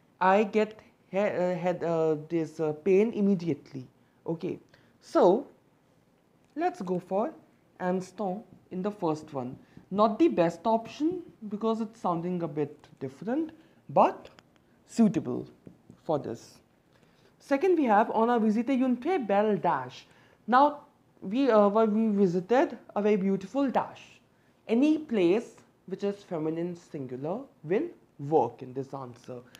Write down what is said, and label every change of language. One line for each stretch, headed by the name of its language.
English: I get pain immediately. Okay, so let's go for instant in the first one. Not the best option because it's sounding a bit different, but suitable for this. Second, we have
French: on a visite une très belle dash.
English: Now we visited a very beautiful dash. Any place which is feminine singular will work in this answer.